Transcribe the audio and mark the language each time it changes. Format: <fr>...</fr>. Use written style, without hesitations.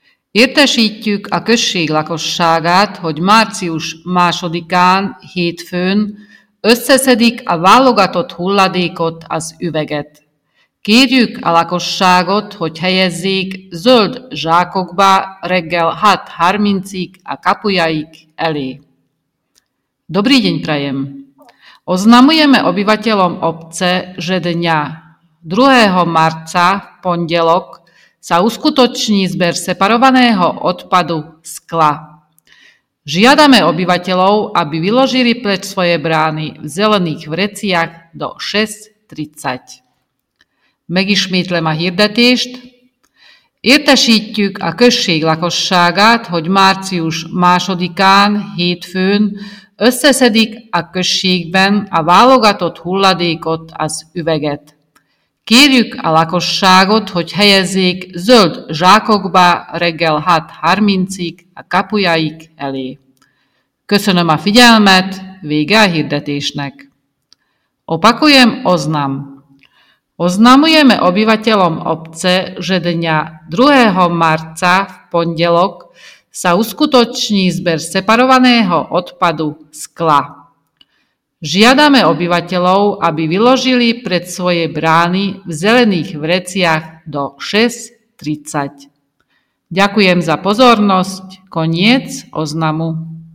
<hu>Értesítjük a község lakosságát, hogy március 2-án, hétfőn összeszedik a válogatott hulladékot, az üveget. Kérjük a lakosságot, hogy helyezzék zöld zsákokba reggel 6:30-ig a kapujaik elé.</hu> <sk>Dobrý deň prajem! Oznamujeme obyvateľom obce, že dňa 2. marca, pondelok, sa uskutoční zber separovaného odpadu skla. Žiadame obyvateľov, aby vyložili preč svoje brány v zelených vreciach do 6:30.</sk> <hu>Megismétlem a hirdetést. Értesítjük a község lakosságát, hogy március 2-án, hétfőn összeszedik a községben a válogatott hulladékot, az üveget. Kérjük a lakosságot, hogy helyezzék zöld zsákokba reggel 6:30-ig a kapujaik elé. Köszönöm a figyelmet, vége a hirdetésnek.</hu> <sk>Opakujem oznam. Oznamujeme obyvateľom obce, že dňa 2. marca v pondelok sa uskutoční zber separovaného odpadu skla. Žiadame obyvateľov, aby vyložili pred svoje brány v zelených vreciach do 6:30. Ďakujem za pozornosť. Koniec oznamu.</sk>